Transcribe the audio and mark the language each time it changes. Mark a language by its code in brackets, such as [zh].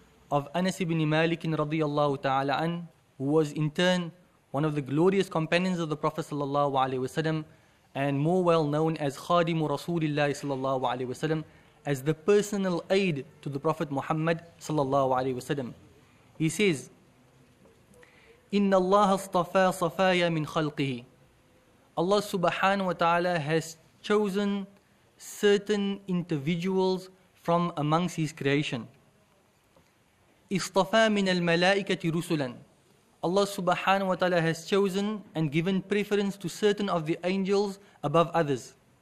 [en] of Anas ibn Malik radiyallahu ta'ala an, who was in turn one of the glorious companions of the Prophet sallallahu alayhi wa sallam, and more well known as Khadim Rasulillah sallallahu alayhi wa sallam, as the personal aid to the Prophet Muhammad sallallahu alayhi wa sallam. [ar] He says, إن الله اصطفى صفايا من خلقه. [en] Allah subhanahu wa ta'ala has chosen certain individuals from amongst His creation. [ar] اصطفى من الملائكة رسلا. [en] Allah subhanahu wa ta'ala has chosen and given preference to certain of the angels above others.